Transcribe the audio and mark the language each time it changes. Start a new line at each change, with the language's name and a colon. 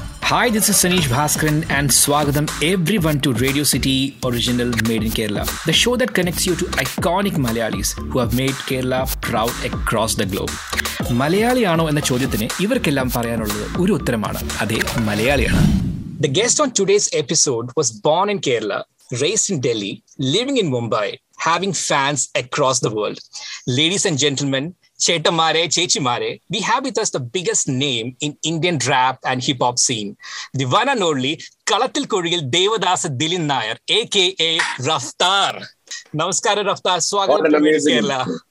English: Hi, this is Sanish Bhaskaran and swagatham everyone to Radio City Original Made in Kerala, the show that connects you to iconic Malayalis who have made Kerala proud across the globe.
Malayalam: മലയാളിയാണോ എന്ന ചോദ്യത്തിന് ഇവർക്കെല്ലാം പറയാനുള്ളത് ഒരു ഉത്തരമാണ്, അതെ, മലയാളിയാണ്.
English: The guest on today's episode was born in Kerala, raised in Delhi, living in Mumbai, having fans across the world. Ladies and gentlemen,
Malayalam: ചേട്ടമാരെ ചേച്ചിമാരെ,
English: we have with us the biggest name in Indian rap and hip hop scene, the one and only Kalathil Kozhiyil Devadas Dilin Nair, aka Raftaar.
Malayalam: നമസ്കാരം റഫ്താർ, സ്വാഗതം കേരള.